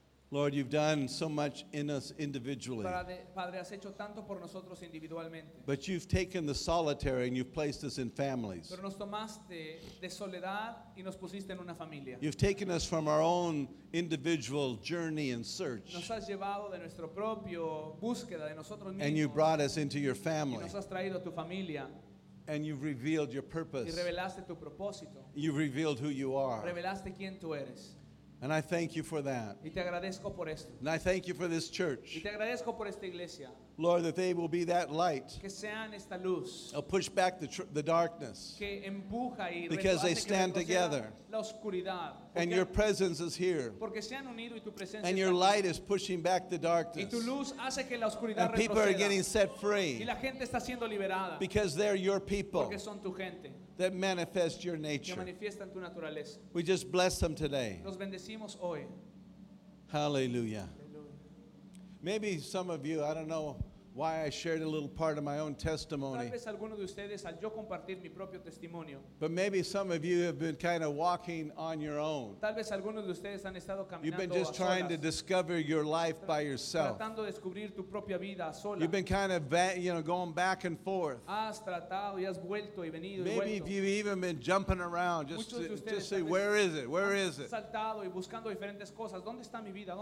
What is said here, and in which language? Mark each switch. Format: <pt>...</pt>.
<en>Lord, you've done so much in us individually.</en> <es>Padre, has hecho tanto por nosotros individualmente.</es> <en>But you've taken the solitary and you've placed us in families.</en> <es>Pero nos tomaste de soledad y nos pusiste en una familia.</es> <en>You've taken us from our own individual journey and search.</en> <es>Nos has llevado de nuestro propio búsqueda de nosotros mismos.</es> <en>And you brought us into your family.</en> <es>Y nos has traído a tu familia.</es> <en>And you've revealed your purpose.</en> <es>Y revelaste tu propósito.</es> <en>You've revealed who you are.</en> <es>Revelaste quién tú eres.</es> <en>And I thank you for that.</en> <es>Y te agradezco por esto.</es> <en>And I thank you for this church.</en> <es>Y te agradezco por esta iglesia.</es> <en>Lord, that they will be that light.</en> <es>Que sean esta luz.</es> <en>They'll push back the darkness.</en> <es>Que empuja y</es> <en>because they stand</en> <es>que</es> <en>together.</en> <es>La oscuridad.</es> <en>And your presence is here.</en> <es>Porque se han unido y tu presencia</es> <en>and your light is pushing back the darkness.</en> <es>Y tu luz hace que la oscuridad</es> <en>and people</en> <es>retroceda.</es> <en>Are getting set free.</en> <es>Y la gente está siendo liberada.</es> <en>Because they're your people.</en> <es>Porque son tu gente.</es> <en>That manifest your nature.</en> <es>Que manifiestan tu naturaleza.</es> <en>We just bless them today.</en> <es>Los bendecimos hoy. Hallelujah.</es> <en>Maybe some of you, I don't know why I shared a little part of my own testimony.</en> <es>Tal vez alguno de ustedes, al yo compartir mi propio testimonio.</es> <en>But maybe some of you have been kind of walking on your own.</en> <es>Tal vez alguno de ustedes han estado caminando.</es> <en>You've been just trying</en> <es>solas.</es> <en>To discover your life by yourself.</en> <es>Tratando de descubrir tu propia vida sola.</es> <en>You've been kind of going back and forth.</en> <es>Has tratado y has vuelto y venido.</es> <en>Maybe</en> <es>y vuelto.</es> <en>You've even been jumping around just to say, where is it? Where is it?</en> <es>Saltado y buscando diferentes cosas. ¿Dónde está mi vida? ¿Dónde</es>